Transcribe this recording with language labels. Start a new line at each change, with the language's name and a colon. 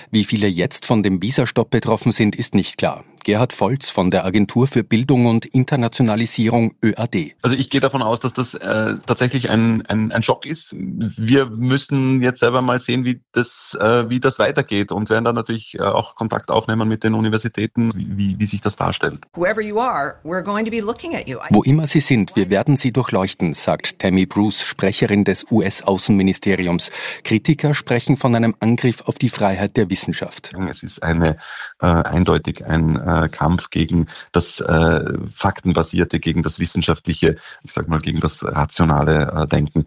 German: Wie viele jetzt von dem Visastopp betroffen sind, ist nicht klar. Gerhard Volz von der Agentur für Bildung und Internationalisierung ÖAD. Also ich gehe davon aus, dass das tatsächlich ein Schock ist. Wir müssen jetzt selber mal sehen, wie das weitergeht und werden dann natürlich auch Kontakt aufnehmen mit den Universitäten, wie sich das darstellt.
English: Whoever you are, we're going to be looking at you.
German: Wo immer Sie sind, wir werden Sie durchleuchten, sagt Tammy Bruce, Sprecherin des US-Außenministeriums. Kritiker sprechen von einem Angriff auf die Freiheit der Wissenschaft. Es ist eindeutig ein Kampf gegen das Faktenbasierte, gegen das Wissenschaftliche, ich sag mal gegen das rationale Denken.